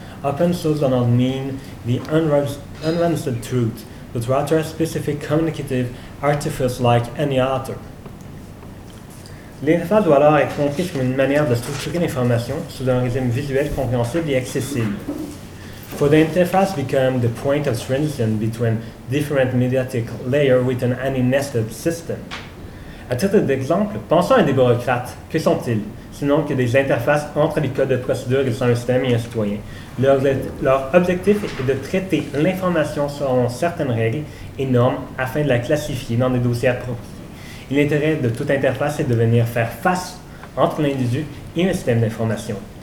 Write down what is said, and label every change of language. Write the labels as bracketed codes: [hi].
[en] Open source does not mean the unrestricted truth, but rather a specific communicative artifice like any other. [fr] L'interface doit alors être comprise comme une manière de structurer l'information sous un régime visuel compréhensible et accessible. [en] For the interface become the point of transition between different mediatic layers within any nested system. [fr] À titre d'exemple, pensons à des bureaucrates. Que sont-ils? Sinon que des interfaces entre les codes de procédure qui sont un système et un citoyen. Leur objectif est de traiter l'information selon certaines règles et normes afin de la classifier dans des dossiers appropriés. L'intérêt de toute interface est de venir faire face entre l'individu et un système d'information.